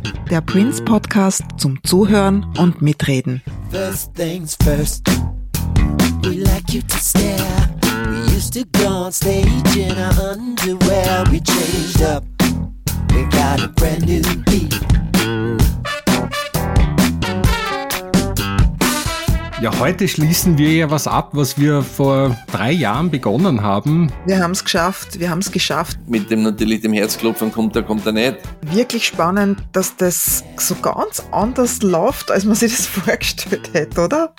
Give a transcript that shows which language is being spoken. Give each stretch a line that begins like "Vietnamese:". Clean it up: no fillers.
German: Der Prince-Podcast zum Zuhören und Mitreden.
English: First things first, we like you to stare. We used to go on stage in our underwear. We changed up, we got a brand new beat.
German: Ja, heute schließen wir ja was ab, was wir vor 3 Jahren begonnen haben. Wir haben es geschafft. Mit dem natürlich dem Herzklopfen kommt er nicht. Wirklich spannend, dass das so ganz anders läuft, als man sich das vorgestellt hätte, oder?